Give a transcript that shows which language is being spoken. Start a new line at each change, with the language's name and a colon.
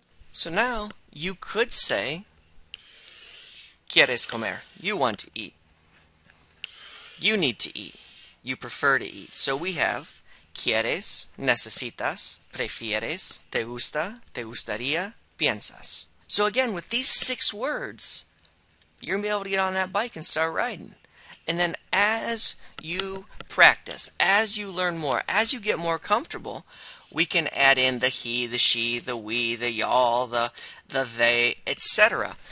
English: So now you could say,
Spanish: "Quieres comer?"
English: You want to eat. "You need to eat." "You prefer to eat." So we have,
Spanish: quieres, necesitas, prefieres, te gustaría, piensas.
English: So again, with these six words, you're gonna be able to get on that bike and start riding. And then as you practice, as you learn more, as you get more comfortable, we can add in the he, the she, the we, the y'all, the they, etc.